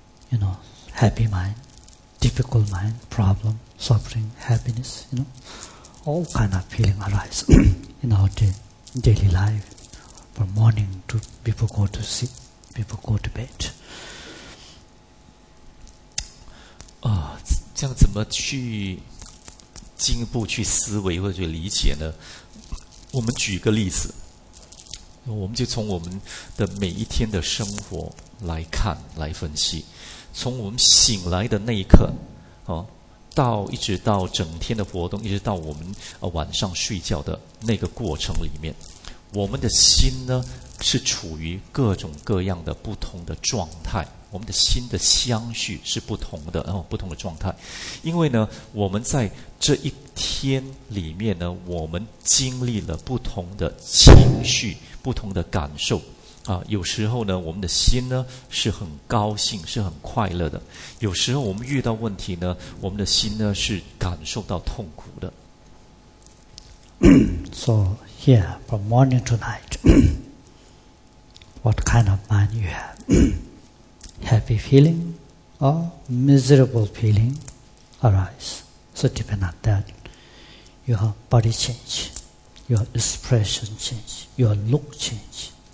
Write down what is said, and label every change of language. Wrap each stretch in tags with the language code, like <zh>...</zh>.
<en>You know, happy mind, difficult mind, problem, suffering, happiness, you know, all kind of feeling arise in our daily life, from morning to before go to sleep, before go to bed.</en> <zh>啊，这样怎么去进一步去思维或者去理解呢？我们举个例子，我们就从我们的每一天的生活来看，来分析。从我们醒来的那一刻，哦，到一直到整天的活动，一直到我们晚上睡觉的那个过程里面，我们的心呢是处于各种各样的不同的状态，我们的心的相续是不同的，不同的状态。因为呢，我们在这一天里面呢，我们经历了不同的情绪，不同的感受。啊，有时候呢，我们的心呢是很高兴，是很快乐的；有时候我们遇到问题呢，我们的心呢是感受到痛苦的。</zh> <en>So here, from morning to night, what kind of mind you have? Happy feeling or miserable feeling arise? So depend on that, your body change, your expression change, your look change.</en>